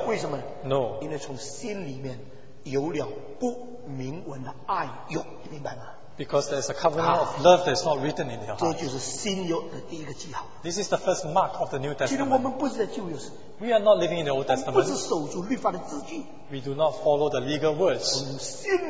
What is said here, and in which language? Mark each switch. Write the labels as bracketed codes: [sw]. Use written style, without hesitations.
[zh] 不会, 为什么? [en] No. [zh] 因为从心里面有了不明文的爱欲, 明白吗? [en] Because there's a covenant of love that's not written in their hearts. This is the first mark of the New Testament. We are not living in the Old Testament. We do not follow the legal words.